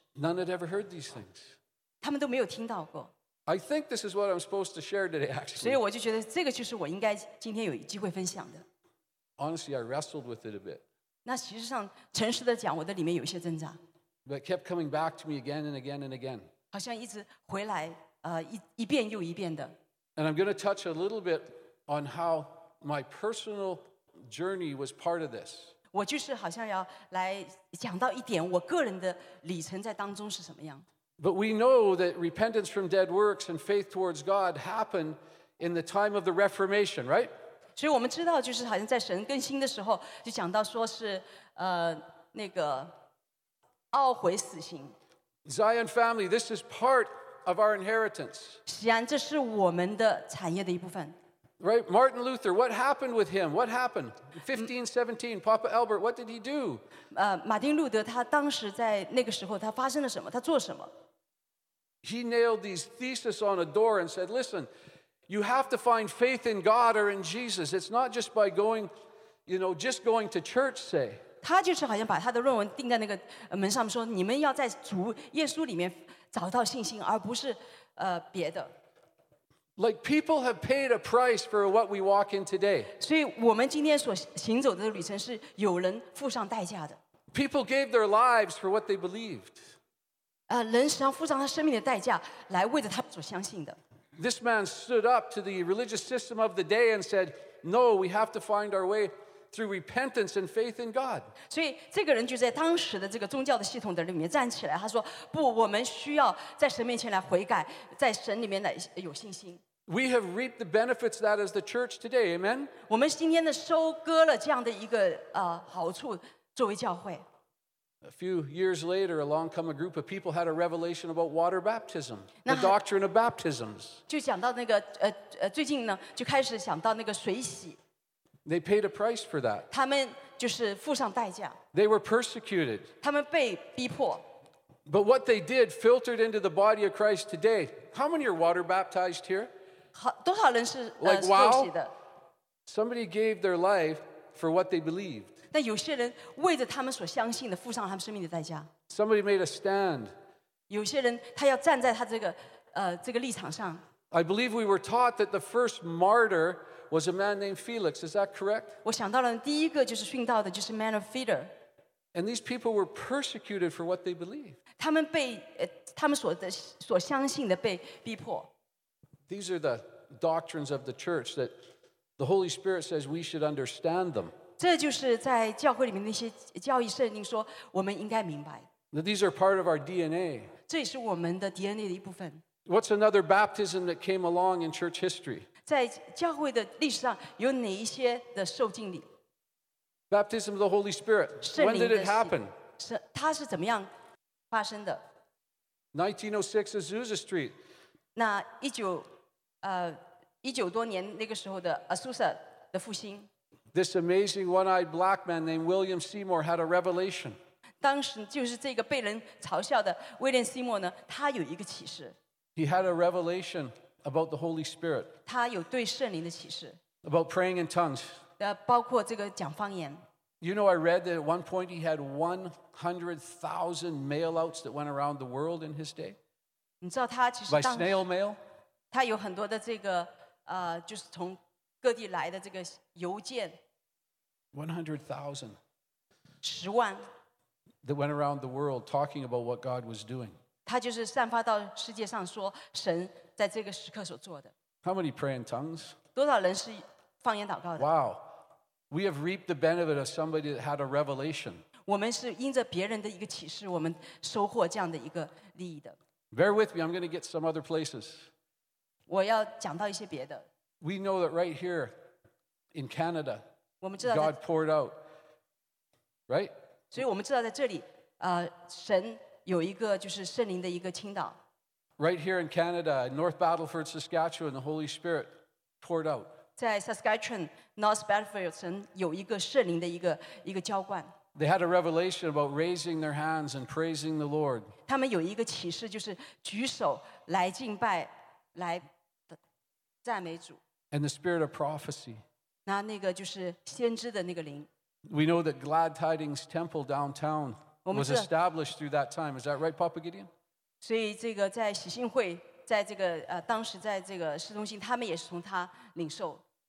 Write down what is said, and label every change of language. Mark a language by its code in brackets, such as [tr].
[en] None had ever heard these things. [zh] 他们都没有听到过。 [en] I think this is what I'm supposed to share today, actually. [zh] 所以我就觉得这个就是我应该今天有机会分享的。 [en] Honestly, I wrestled with it a bit. [zh] 那其实上，诚实的讲，我的里面有一些挣扎。 [en] But kept coming back to me again and again and again. [zh] 好像一直回来，一遍又一遍的。 [en] And I'm going to touch a little bit on how my personal journey was part of this. [zh] 我就是好像要来讲到一点，我个人的里程在当中是什么样。 [en] But we know that repentance from dead works and faith towards God happened in the time of the Reformation, right? [zh] 所以我们知道，就是好像在神更新的时候，就讲到说是那个懊悔死刑。 [en] Zion family, this is part of our inheritance. [zh] 西安，这是我们的产业的一部分。 [en] Right, Martin Luther, what happened with him? What happened? 1517, Papa Albert, what did he do? [zh] 马丁路德他当时在那个时候他发生了什么？他做什么？ [en] He nailed these theses on a door and said, listen, you have to find faith in God or in Jesus. It's not just by going, you know, just going to church, say. [zh] 他就是好像把他的论文钉在那个门上说，你们要在主耶稣里面找到信心，而不是别的。 [en] Like people have paid a price for what we walk in today. [zh] 所以我们今天所行走的旅程是有人付上代价的。 [en] People gave their lives for what they believed. [zh] 人实际上付上他生命的代价来为着他所相信的。 [en] This man stood up to the religious system of the day and said, "No, we have to find our way through repentance and faith in God." [zh] 所以这个人就在当时的这个宗教的系统的里面站起来，他说：“不，我们需要在神面前来悔改，在神里面来有信心。” [en] We have reaped the benefits of that as the church today, amen. [zh] 我们今天的收割了这样的一个好处，作为教会。 [en] A few years later, along come a group of people had a revelation about water baptism, the doctrine of baptisms. [zh] 就讲到那个最近呢，就开始想到那个水洗。 [en] They paid a price for that. [zh] 他们就是付上代价。 [en] They were persecuted. [zh] 他们被逼迫。 [en] But what they did filtered into the body of Christ today. How many are water baptized here? [zh] 多少人是受洗的？ [en] Like, wow. Somebody gave their life for what they believed. [zh] 但有些人为着他们所相信的付上他们生命的代价。 [en] Somebody made a stand. [zh] 有些人他要站在他这个立场上。 [en] I believe we were taught that the first martyr was a man named Felix, is that correct? [zh] 我想到了第一个就是殉道的就是 [en] man of Peter. And these people were persecuted for what they believed. [zh] 他们被他们所相信的被逼迫。 [en] These are the doctrines of the church that the Holy Spirit says we should understand them. [zh] 这就是在教会里面那些教义圣经说我们应该明白。 [en] That these are part of our DNA. [zh] 这也是我们的 DNA 的一部分。 [en] What's another baptism that came along in church history? [zh] 在教会的历史上有哪一些的受浸礼？ [en] Baptism of the Holy Spirit. When did it happen? [zh] 它是怎么样发生的？ [en] 1906 Azusa Street. [zh] 那一九多年那个时候的 Azusa 的复兴。 [en] This amazing one-eyed black man named William Seymour had a revelation. [zh] 当时就是这个被人嘲笑的威廉西莫呢，他有一个启示。 [en] He had a revelation about the Holy Spirit. [zh] 他有对圣灵的启示。 [en] About praying in tongues. [zh] 包括这个讲方言。 [en] You know, I read that at one point he had 100,000 mail-outs that went around the world in his day. [zh] 你知道他其实当时 [en] by snail mail. [zh] 他有很多的这个就是从各地来的这个邮件。 [en] 100,000. [zh] 十万。 [en] That went around the world talking about what God was doing. [zh] 他就是散发到世界上说神在这个时刻所做的。 [en] How many pray in tongues? [zh] 多少人是方言祷告的？ [en] Wow. We have reaped the benefit of somebody that had a revelation. [zh] 我们是因着别人的一个启示，我们收获这样的一个利益的。 [en] Bear with me, I'm going to get some other places. [zh] 我要讲到一些别的。 [en] We know that right here in Canada, God poured out. Right? [zh] 所以我们知道在这里，神有一个就是圣灵的一个倾倒。 [en] Right here in Canada, North Battleford, Saskatchewan, the Holy Spirit poured out. [zh] 在 Saskatchewan, North Battleford, 神有一个圣灵的一个浇灌。 [en] They had a revelation about raising their hands and praising the Lord. [zh] 他们有一个启示，就是举手来敬拜，来赞美主。 [en] And the spirit of prophecy. [zh] 那个就是先知的那个灵。 [en] We know that Glad Tidings Temple downtown was established through that time. Is that right, Papa Gideon? [zh] 所以这个在喜信会，在这个当时在这个市中心，他们也是从他领受。